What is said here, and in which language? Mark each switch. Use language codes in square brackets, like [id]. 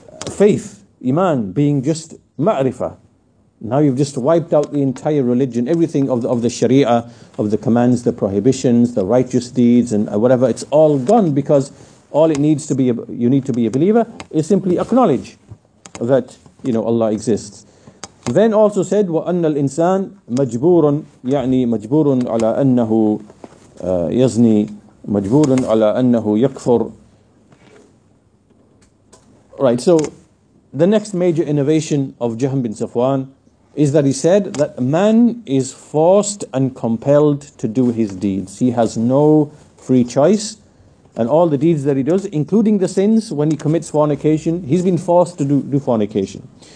[en] Faith, Iman, being just ma'rifah. Now you've just wiped out the entire religion, everything of the Sharia, of the commands, the prohibitions, the righteous deeds, and whatever. It's all gone, because all it needs to be, you need to be a believer, is simply acknowledge that, you know, Allah exists. Then also said, [ar] وَأَنَّ الْإِنسَانِ مَجْبُورٌ يَعْنِي مَجْبُورٌ عَلَىٰ أَنَّهُ يَزْنِي مَجْبُورٌ عَلَىٰ أَنَّهُ يَكْفُرٌ. [en] Right, so the next major innovation of Jahm bin Safwan is that he said that man is forced and compelled to do his deeds. He has no free choice, and all the deeds that he does, including the sins, when he commits fornication, he's been forced to do fornication.